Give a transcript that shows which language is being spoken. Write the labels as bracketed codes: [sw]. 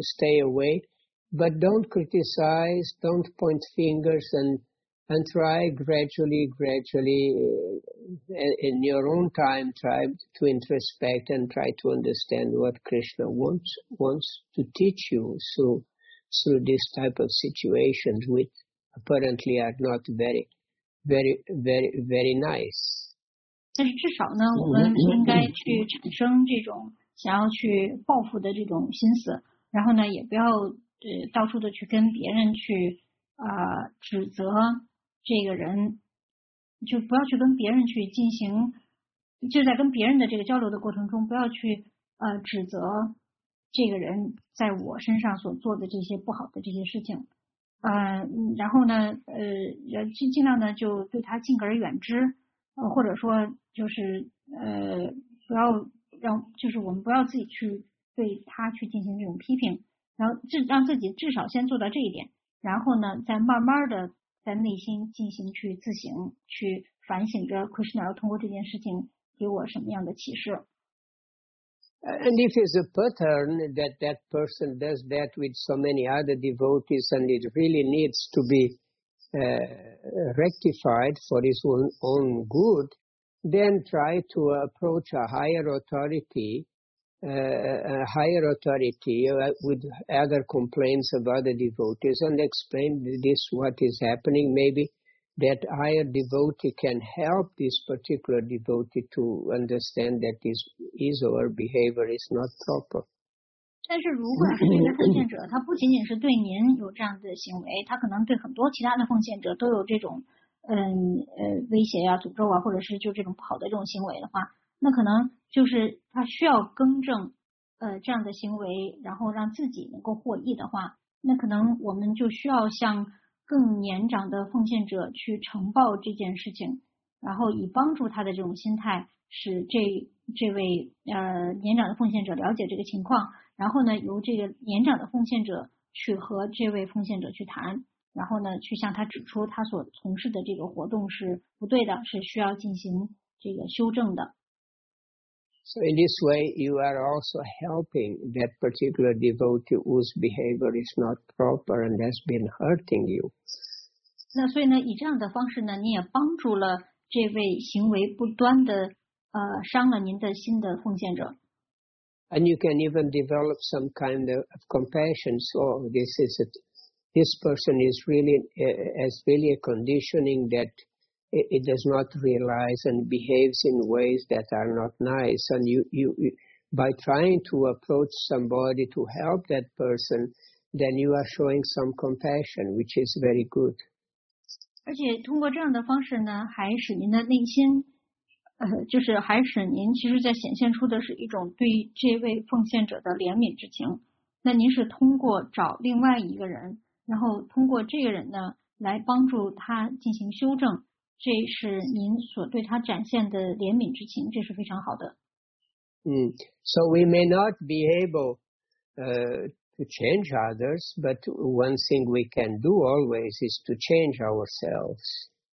[en] Stay away, but don't criticize, don't point fingers, and try gradually, in your own time, try to introspect and try to understand what Krishna wants to teach you through this type of situations, which apparently are not very, very nice. [zh] 但是至少呢，我们应该去产生这种想要去报复的这种心思，然后呢，也不要到处的去跟别人去指责这个人，就不要去跟别人去进行，就在跟别人的这个交流的过程中，不要去指责这个人在我身上所做的这些不好的这些事情。然后呢尽量呢就对他敬而远之，或者说就是不要让，就是我们不要自己去对他去进行这种批评，然后让自己至少先做到这一点，然后呢再慢慢的在内心进行去自省，去反省着 Krishna 要通过这件事情给我什么样的启示。 [en] And if it's a pattern that person does that with so many other devotees and it really needs to be rectified for his own good, then try to approach a higher authority with other complaints of other devotees and explain this what is happening. Maybe that higher devotee can help this particular devotee to understand that his or her behavior is not proper. [zh] 但是如果是这个奉献者，他不仅仅是对您有这样的行为，他可能对很多其他的奉献者都有这种威胁啊、诅咒啊，或者是就这种不好的这种行为的话，那可能就是他需要更正这样的行为，然后让自己能够获益的话，那可能我们就需要向更年长的奉献者去呈报这件事情，然后以帮助他的这种心态，使这位年长的奉献者了解这个情况，然后呢由这个年长的奉献者去和这位奉献者去谈，然后呢去向他指出他所从事的这个活动是不对的，是需要进行这个修正的。 [en] So in this way, you are also helping that particular devotee whose behavior is not proper and has been hurting you. [zh] 那所以呢，以这样的方式呢，你也帮助了这位行为不端的伤了您的心的奉献者。 [en] And you can even develop some kind of compassion. So this person is really has really a conditioning that it does not realize and behaves in ways that are not nice. And you, by trying to approach somebody to help that person, then you are showing some compassion, which is very good. [zh] 而且通过这样的方式呢，还使您的内心，就是还使您其实在显现出的是一种对这位奉献者的怜悯之情。那您是通过找另外一个人，然后通过这个人呢，来帮助他进行修正。这是您所对他展现的怜悯之情，这是非常好的。 [en] So we may not be able to change others, but one thing we can do always is to change ourselves.